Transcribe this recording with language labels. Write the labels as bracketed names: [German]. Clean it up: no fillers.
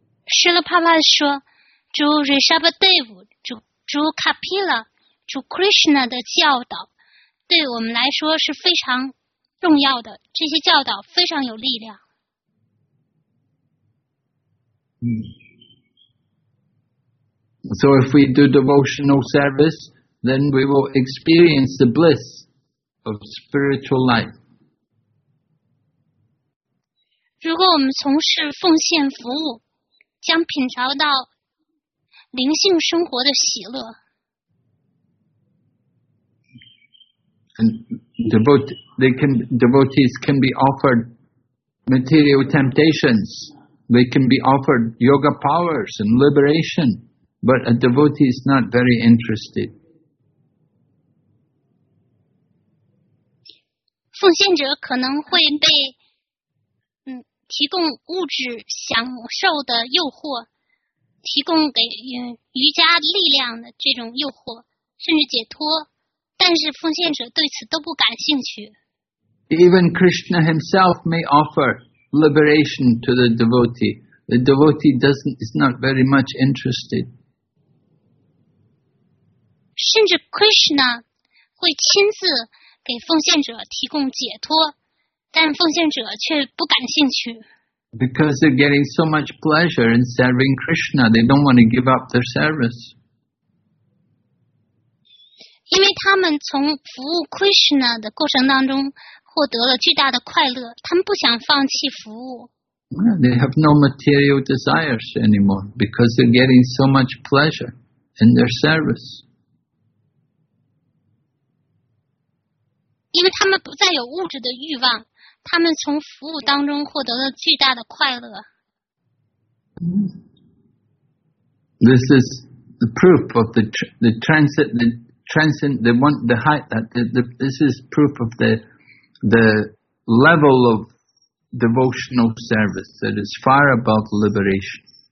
[Chinese] 师父 帕拉说, 主 Rishabhdev, 主 Kapila, 主 Krishna 的教导, 对我们来说是非常重要的, 这些教导非常有力量。 [English] So if we do devotional service, then we will experience the bliss of spiritual life. [Chinese] 如果我们从事奉献服务, 将品尝到灵性生活的喜乐。 [English] And devotees can be offered material temptations. They can be offered yoga powers and liberation, but a devotee is not very interested. [Chinese] 奉献者可能会被 提供物质享受的诱惑, 提供给瑜伽力量的这种诱惑, 甚至解脱, 但是奉献者对此都不感兴趣。 [English] Even Krishna himself may offer liberation to the devotee. The devotee is not very much interested. [Chinese] 甚至 Krishna 会亲自给奉献者提供解脱, 但奉献者却不感兴趣。 [English] Because they're getting so much pleasure in serving Krishna, they don't want to give up their service. [Chinese] 因为他们从服务 Krishna 的过程当中, 获得了巨大的快乐, 他们不想放弃服务。 [English] They have no material desires anymore because they're getting so much pleasure in their service. [Chinese] 因为他们不再有物质的欲望, 他们从服务当中获得了巨大的快乐。 [English] This is the proof of the level of devotional service that is far above liberation.